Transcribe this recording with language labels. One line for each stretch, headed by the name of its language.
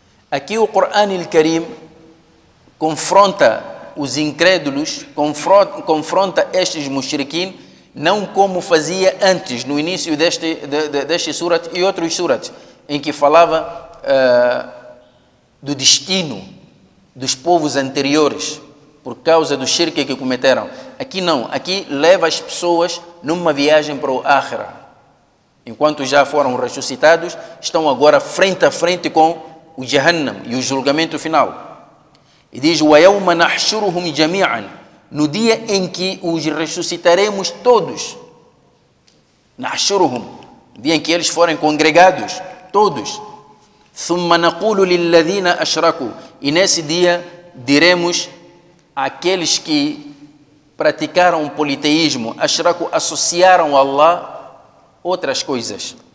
Portuguese: Aqui o Corão al-Karim confronta os incrédulos, confronta estes mushrikin, não como fazia antes, no início deste surat e outros surat, em que falava do destino dos povos anteriores por causa do shirk que cometeram. Aqui não, aqui leva as pessoas numa viagem para o Akhira. Enquanto já foram ressuscitados, estão agora frente a frente com o Jahannam e o julgamento final. E diz:
Arabic: وَيَوْمَ نَحْشُرُهُمْ جَمِيعًا.
Portuguese: No dia em que os ressuscitaremos todos.
Arabic: نَحْشُرُهُمْ.
Portuguese: No dia em que eles forem congregados, todos.
Arabic: ثُمَّ نَقُولُ لِلَّذِينَ أَشْرَكُوا.
Portuguese: E nesse dia diremos àqueles que praticaram politeísmo, ashraku, associaram a Allah outras coisas.